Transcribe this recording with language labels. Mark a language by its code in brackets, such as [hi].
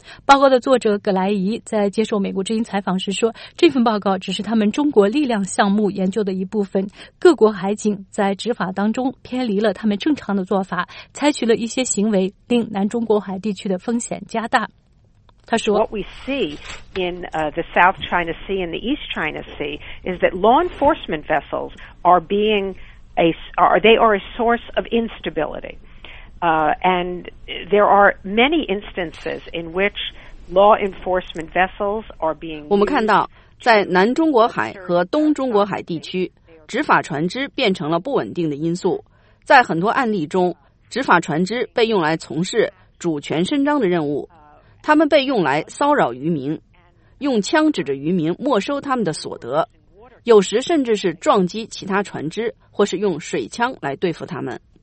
[zh] 报告的作者葛莱仪在接受美国之音采访时说，这份报告只是他们中国力量项目研究的一部分，各国海警在执法当中偏离了他们正常的做法，采取了一些行为令南中国海地区的风险加大。他说 [en] What we see in the South China Sea and the East China Sea is that law enforcement vessels are being a source of instability. And there are many instances in which law enforcement vessels are being used. [zh] 我们看到在南中国海和东中国海地区，执法船只变成了不稳定的因素。在很多案例中，执法船只被用来从事主权伸张的任务，他们被用来骚扰渔民，用枪指着渔民没收他们的所得，有时甚至是撞击其他船只，或是用水枪来对付他们。